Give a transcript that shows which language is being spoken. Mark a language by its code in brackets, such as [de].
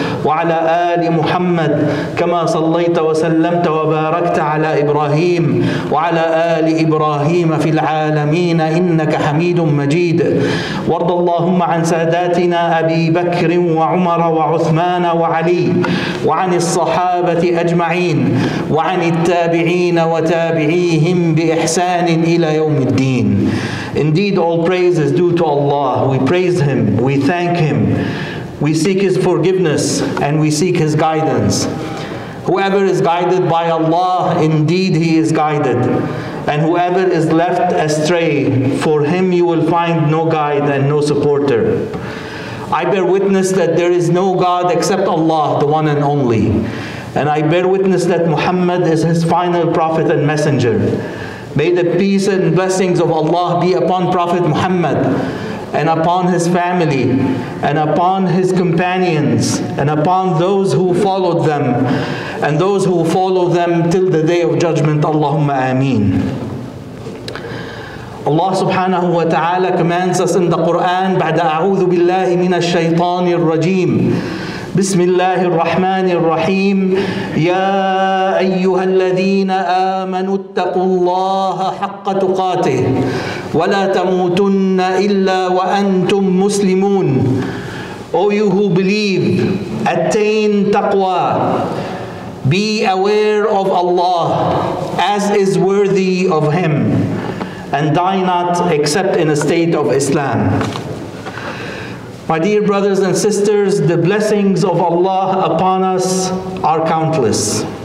[ar] وعلى آل محمد كما صليت وسلمت وباركت على إبراهيم وعلى آل إبراهيم في العالمين إنك حميد مجيد وارض اللهم عن ساداتنا أبي بكر وعمر وعثمان وعلي وعن الصحابة أجمعين وعن التابعين وتابعيهم بإحسان إلى يوم الدين. [en] Indeed, all praise is due to Allah. We praise Him. We thank Him. We seek His forgiveness and we seek His guidance. Whoever is guided by Allah, indeed he is guided. And whoever is left astray, for him you will find no guide and no supporter. I bear witness that there is no God except Allah, the one and only. And I bear witness that Muhammad is His final prophet and messenger. May the peace and blessings of Allah be upon Prophet Muhammad and upon his family and upon his companions and upon those who followed them and those who follow them till the day of judgment. [ar] Allahumma ameen. [en] Allah subhanahu wa ta'ala commands us in the Quran, [ar] بعد أعوذ بالله من الشيطان الرجيم بسم الله الرحمن الرحيم يا أيها الذين آمنوا اتقوا الله حق تقاته ولا تموتن إلا وأنتم مسلمون. [en] O you who believe, attain taqwa. Be aware of Allah as is worthy of Him and die not except in a state of Islam. My dear brothers and sisters, the blessings of Allah upon us are countless.